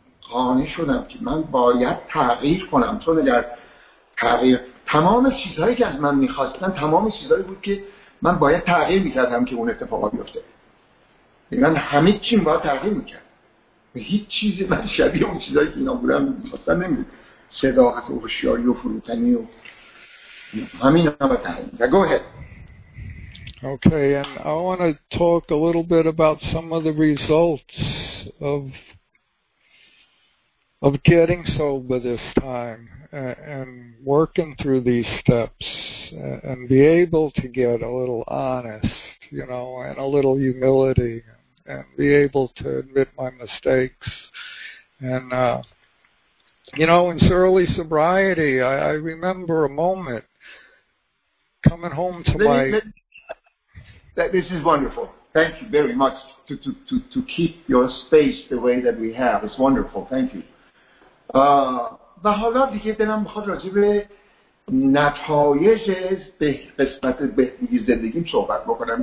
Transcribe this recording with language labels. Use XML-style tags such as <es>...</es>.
<fa>قانع شدم که من باید تغییر کنم، چون اگر تغییر، تمام چیزهایی که از من میخواستن، تمام چیزهایی بود که من باید تغییر میکردم که اون اتفاقا بیفته. من همه چیم باید تغییر میکرد، هیچ چیزی من شبیه اون چیزایی که اینا بودم مثلا نمیدید، صداقت و هوشیاری و فروتنی و همین ها باید تغییر میکرد.</fa> <en>Go ahead. Okay, and I want to talk a little bit about some of the results of getting sober this time and working through these steps and be able to get a little honest, you know, and a little humility and be able to admit my mistakes. And, you know, in early sobriety, I remember a moment coming home to this is wonderful. Thank you very much to keep your space the way that we have. It's wonderful. Thank you.</en> <fa>و حالا دیگه دلم بخواد راجع به نتایج به قسمت بهبودی زندگیم صحبت بکنم.</fa>